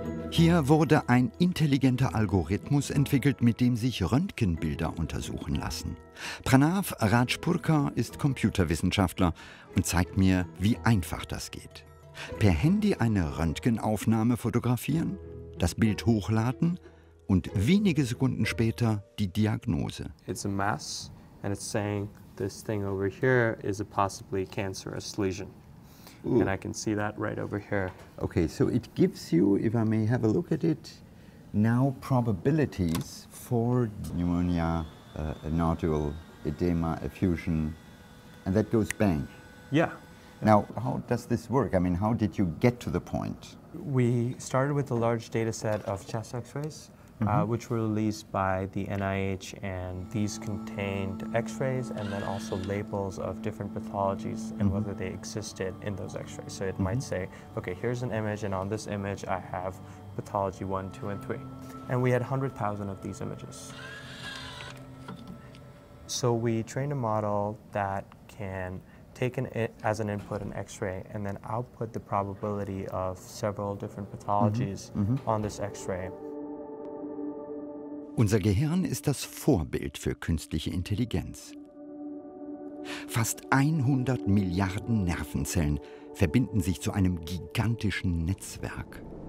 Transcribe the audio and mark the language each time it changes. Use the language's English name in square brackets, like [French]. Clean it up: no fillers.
[German] Hier wurde ein intelligenter Algorithmus entwickelt, mit dem sich Röntgenbilder untersuchen lassen. Pranav Rajpurkar ist Computerwissenschaftler und zeigt mir, wie einfach das geht. Per Handy eine Röntgenaufnahme fotografieren, das Bild hochladen und wenige Sekunden später die Diagnose. [English] It's a mass and it's saying this thing over here is a possibly cancerous lesion. Ooh. And I can see that right over here. Okay, so it gives you, if I may have a look at it, now probabilities for pneumonia, nodule, edema, effusion, And that goes bang. Yeah. Now, how does this work? I mean, how did you get to the point? We started with a large data set of chest x-rays, which were released by the NIH, and these contained x-rays and then also labels of different pathologies and whether they existed in those x-rays. So it might say, okay, here's an image, and on this image I have pathology 1, 2, and 3. And we had 100,000 of these images. So we trained a model that can take as an input an x-ray and then output the probability of several different pathologies on this x-ray. [German] Unser Gehirn ist das Vorbild für künstliche Intelligenz. Fast 100 Milliarden Nervenzellen verbinden sich zu einem gigantischen Netzwerk.